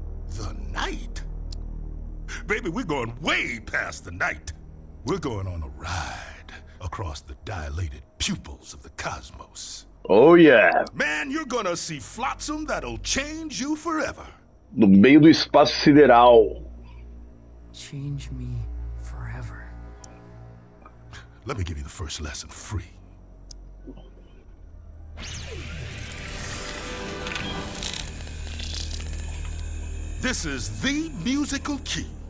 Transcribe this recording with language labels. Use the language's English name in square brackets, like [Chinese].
[English] The night? Baby, we're going way past the night. We're going on a ride across the dilated pupils of the cosmos. Oh, yeah. Man, you're gonna see flotsam that'll change you forever. [Portuguese] No meio do espaço sideral. [English] Change me forever. Let me give you the first lesson free. This is the musical key.